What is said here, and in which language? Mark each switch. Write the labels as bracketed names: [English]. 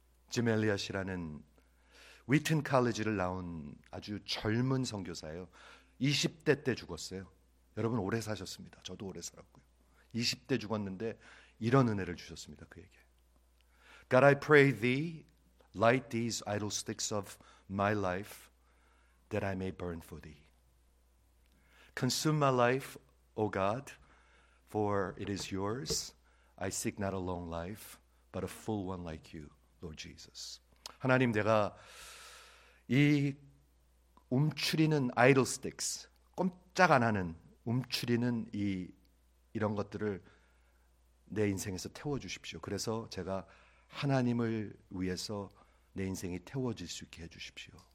[Korean] 짐 엘리엇이라는 위튼 칼리지를 나온 아주 젊은 선교사예요. 20대 때 죽었어요. 여러분 오래 사셨습니다. 저도 오래 살았고요. 20대 죽었는데 이런 은혜를 주셨습니다. 그에게. [English] God, I pray thee, light these idle sticks of my life that I may burn for thee. Consume my life, O God, for it is yours. I seek not a long life, but a full one like you, Lord Jesus. [Korean] 하나님 내가 이 움츠리는 [English] idle sticks, [Korean] 꼼짝 안 하는 움츠리는 이런 것들을 내 인생에서 태워주십시오. 그래서 제가 하나님을 위해서 내 인생이 태워질 수 있게 해주십시오.